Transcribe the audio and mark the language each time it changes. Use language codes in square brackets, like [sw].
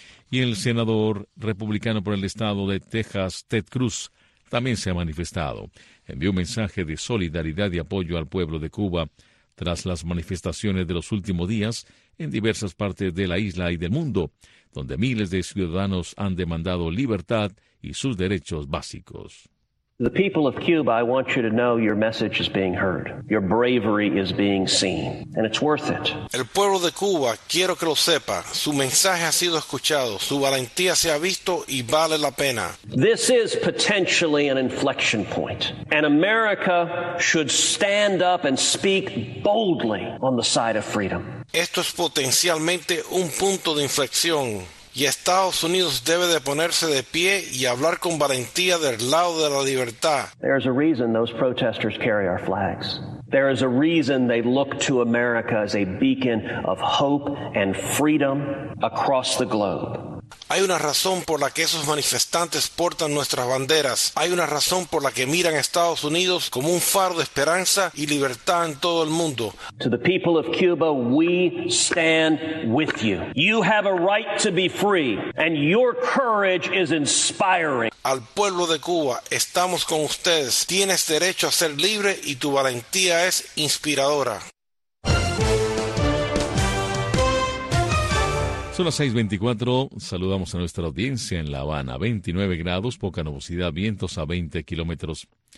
[es] Y el senador republicano por el estado de Texas, Ted Cruz, también se ha manifestado. Envió un mensaje de solidaridad y apoyo al pueblo de Cuba tras las manifestaciones de los últimos días en diversas partes de la isla y del mundo, donde miles de ciudadanos han demandado libertad y sus derechos básicos. [en] The people of Cuba, I want you to know your message is being heard. Your bravery is being seen, and it's worth it. [es] El pueblo de Cuba, quiero que lo sepa, su mensaje ha sido escuchado, su valentía se ha visto y vale la pena. [en] This is potentially an inflection point, and America should stand up and speak boldly on the side of freedom. [es] Esto es potencialmente un punto de inflexión. Y Estados Unidos debe de ponerse de pie y hablar con valentía del lado de la libertad. [en] There is a reason those protesters carry our flags. There is a reason they look to America as a beacon of hope and freedom across the globe. [es] Hay una razón por la que esos manifestantes portan nuestras banderas. Hay una razón por la que miran a Estados Unidos como un faro de esperanza y libertad en todo el mundo. [en] To the people of Cuba, we stand with you. You have a right to be free, and your courage is inspiring. [es] Al pueblo de Cuba, estamos con ustedes. Tienes derecho a ser libre y tu valentía es inspiradora. Son las 6:24, saludamos a nuestra audiencia en La Habana, 29 grados, poca nubosidad, vientos a 20 kilómetros.